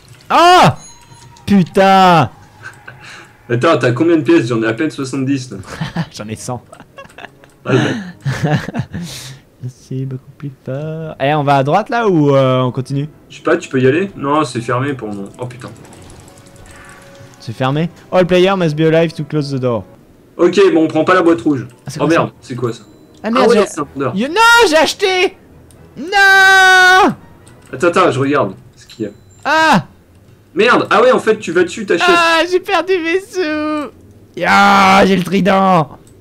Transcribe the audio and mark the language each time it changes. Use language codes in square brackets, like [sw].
[fr] Oh. Putain. Attends, t'as combien de pièces? J'en ai à peine 70. J'en ai 100. C'est beaucoup plus fort. Eh, on va à droite là ou on continue? Je sais pas, tu peux y aller? Non, c'est fermé pour moi. Oh putain. C'est fermé. [en] All player must be alive to close the door. [fr] Ok, bon, on prend pas la boîte rouge. Ah, oh merde, c'est quoi ça? Ah merde, ah, ouais, c'est un vendeur. You... Non, j'ai acheté. Non. Attends, je regarde ce qu'il y a. Ah. Merde, ah ouais, en fait, tu vas dessus, t'achètes. Ah, j'ai perdu mes sous. Yaaah, j'ai le trident.